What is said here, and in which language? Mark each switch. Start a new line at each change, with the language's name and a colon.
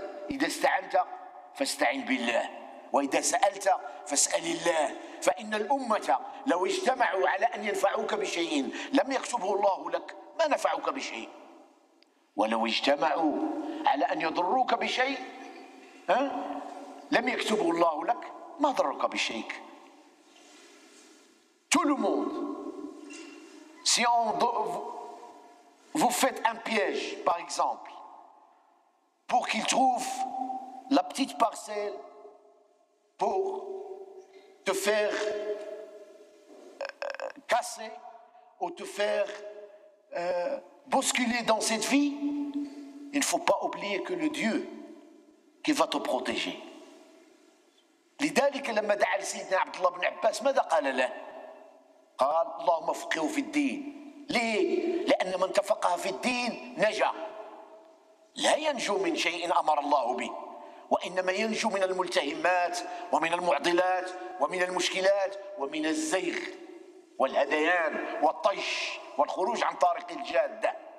Arabic: إذا استعنت فاستعن بالله، وإذا سألت فاسأل الله، فإن الأمة لو اجتمعوا على أن ينفعوك بشيء لم يكتبه الله لك ما نفعوك بشيء، ولو اجتمعوا على أن يضروك بشيء لم يكتبه الله لك ما ضرك بشيء.
French: Tout le monde, si on vous faites un piège par exemple pour qu'il trouve la petite parcelle pour te faire casser ou te faire bousculer dans cette vie, il ne faut pas oublier que le Dieu qui va te protéger.
Arabic: لذلك لما دعا لسيدنا عبد الله بن عباس ماذا قال له؟ قال اللهم فقهه في الدين. ليه؟ لأن من تفقه في الدين نجا، لا ينجو من شيء أمر الله به، وإنما ينجو من الملتهمات ومن المعضلات ومن المشكلات ومن الزيغ والهذيان والطيش والخروج عن طريق الجادة.